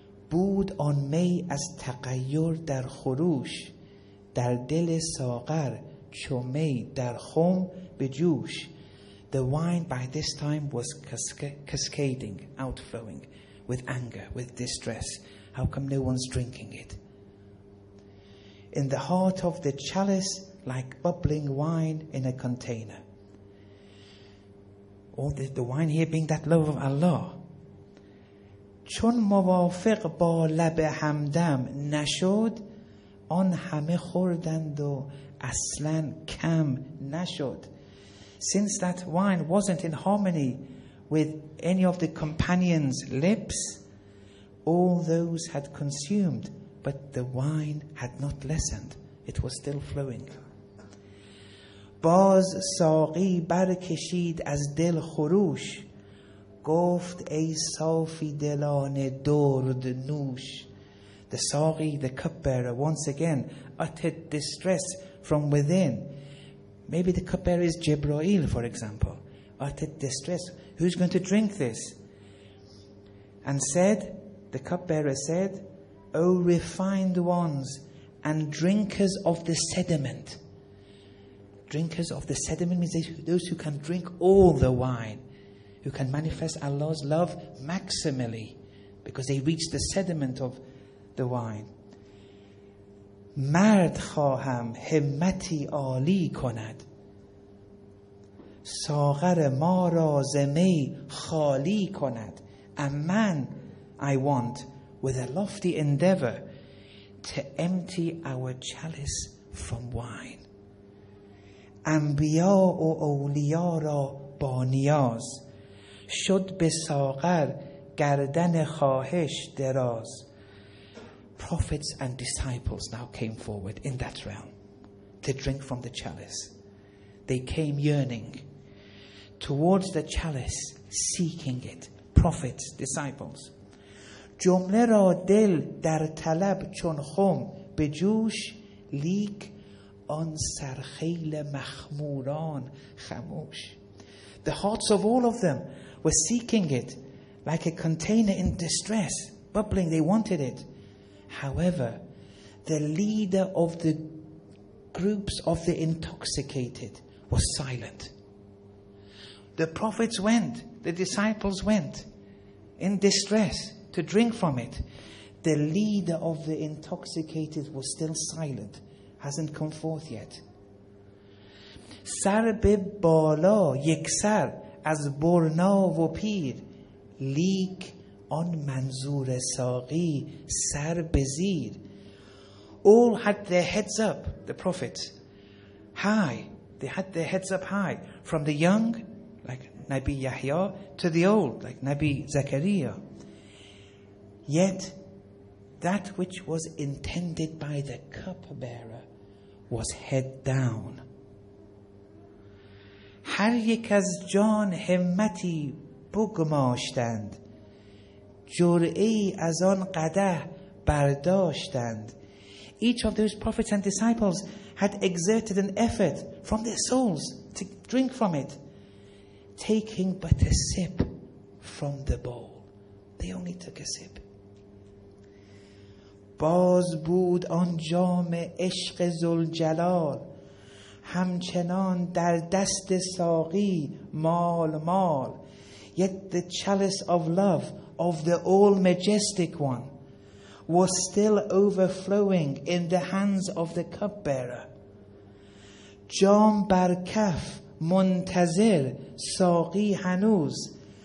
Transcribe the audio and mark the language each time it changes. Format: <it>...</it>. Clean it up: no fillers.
<fa>بود آن می از تغییر در خروش، در دل ساغر چو می در خم به جوش.</fa> <en>The wine by this time was cascading, outflowing with anger, with distress. How come no one's drinking it? In the heart of the chalice, like bubbling wine in a container. All the wine here being that love of Allah.</en> <fa>چون موافق با لب همدم نشد، آن همه خوردند و اصلا کم نشد.</fa> <en>Since that wine wasn't in harmony with any of the companions' lips, all those had consumed, but the wine had not lessened. It was still flowing.</en> <fa>باز ساقی برکشید از دل خروش، گفت ای صافی دلان درد نوش.</fa> <en>The ساقی, the cup bearer, once again uttered distress from within. Maybe the cup bearer is Jibreel, for example. Uttered distress. Who's going to drink this? And said, the cup bearer said, O refined ones and drinkers of the sediment. Drinkers of the sediment means those who can drink all the wine, who can manifest Allah's love maximally because they reach the sediment of the wine.</en> <fa>مرد خواهم همتی عالی کند، ساغر ما را ز می خالی کند.</fa> <en>A man I want with a lofty endeavor to empty our chalice from wine.</en> <fa>انبیا و اولیا را با نیاز، شد به ساغر گردن خواهش دراز.</fa> <en>Prophets and disciples now came forward in that realm to drink from the chalice. They came yearning towards the chalice, seeking it. Prophets, disciples.</en> <fa>جمله را دل در طلب چون خم به جوش، لیک آن سرخیل مخموران خموش.</fa> <en>The hearts of all of them were seeking it like a container in distress, bubbling, they wanted it. However, the leader of the groups of the intoxicated was silent. The prophets went, the disciples went in distress to drink from it. The leader of the intoxicated was still silent, hasn't come forth yet.</en> <fa>سر به بالا یک سر از برنا و پیر لیک آن منظور ساقی سر به زیر.</fa> <en>All had their heads up, the prophet, high. They had their heads up high, from the young, like Nabi Yahya, to the old, like Nabi Zakaria. Yet, that which was intended by the cupbearer was head down.</en> <fa>هر یک از جان همتی بگماشتند، جرعه از آن قده برداشتند.</fa> <en>Each of those prophets and disciples had exerted an effort from their souls to drink from it, taking but a sip from the bowl. They only took a sip.</en> <fa>باز بود آن جام عشق ذوالجلال همچنان در دست ساقی مال مال.</fa> <en>Yet the chalice of love of the All Majestic One was still overflowing in the hands of the cupbearer.</en> <fa>جام بر کف منتظر ساقی هنوز.</fa>